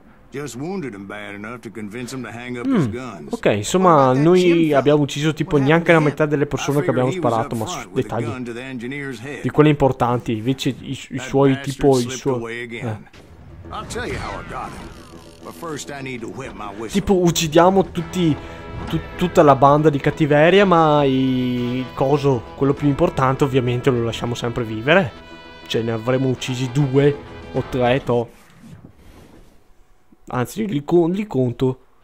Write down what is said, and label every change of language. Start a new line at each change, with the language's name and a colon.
English: Just wounded him bad enough to convince him to hang up his guns.
Italian: Ok, insomma, noi abbiamo ucciso tipo neanche la metà delle persone che abbiamo sparato, ma dettagli di quelle importanti, invece i suoi tipo i suoi.
English: I'll tell you how I got him. But first I need to whip my whistle.
Italian: Tipo uccidiamo tutta la banda di cattiveria, ma il coso, quello più importante, ovviamente lo lasciamo sempre vivere. Cioè ne avremmo uccisi due o tre, toh. Anzi, li conto.